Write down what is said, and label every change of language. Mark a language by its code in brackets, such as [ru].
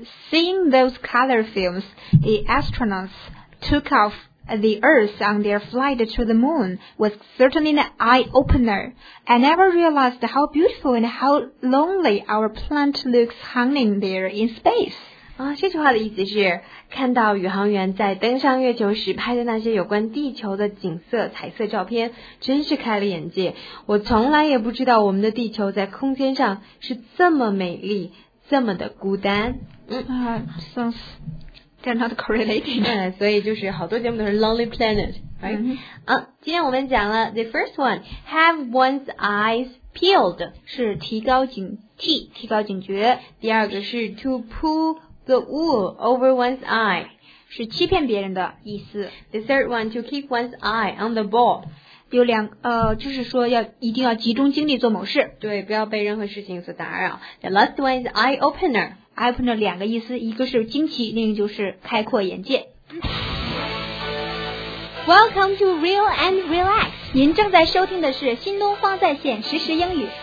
[en] Seeing those color films, the astronautsTook off the Earth on their flight to the moon was certainly an eye-opener. I never realized how beautiful and how lonely our planet looks hanging there in space. [zh] 这句话的意思是，看到宇航员在登上月球时拍的那些有关地球的景色彩色照片，真是开了眼界。我从来也不知道我们的地球在空间上是这么美丽，这么的孤单。 SounsThey're not correlated. 所以就是好多节目都是 Lonely Planet, [en] right? [zh] 今天我们讲了 [en] the first one, have one's eyes peeled, [zh] 是提高警觉。第二个是 [en] to pull the wool over one's eye, [zh] 是欺骗别人的意思。 [en] The third one, to keep one's eye on the ball. [zh] 就是说要一定要集中精力做某事，对，不要被任何事情所打扰。 [en] The last one is eye opener [zh] 两个意思，一个是惊奇，另一个就是开阔眼界。 [en] Welcome to Real and Relax, [zh] 您正在收听的是新东方在线实时英语，